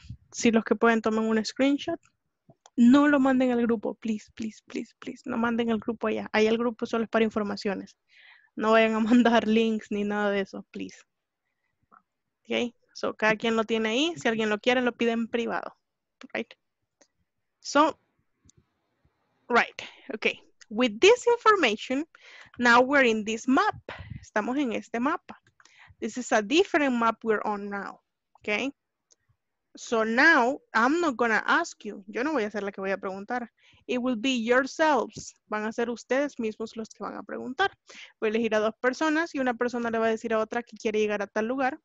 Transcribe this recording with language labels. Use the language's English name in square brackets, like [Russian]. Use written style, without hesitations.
[Spanish] Si los que pueden tomen un screenshot. no lo manden al grupo, please, please, please, please, no manden al grupo allá. Ahí el grupo solo es para informaciones. No vayan a mandar links ni nada de eso, please. Ok, so cada quien lo tiene ahí, si alguien lo quiere, lo pide en privado. [English] Right. So, right, ok. With this information, now we're in this map. [Spanish] Estamos en este mapa. [English] This is a different map we're on now, ok. So now, I'm not gonna ask you. [Spanish] Yo no voy a ser la que voy a preguntar. [English] It will be yourselves. [Spanish] Van a ser ustedes mismos los que van a preguntar. Voy a elegir a dos personas y una persona le va a decir a otra que quiere llegar a tal lugar.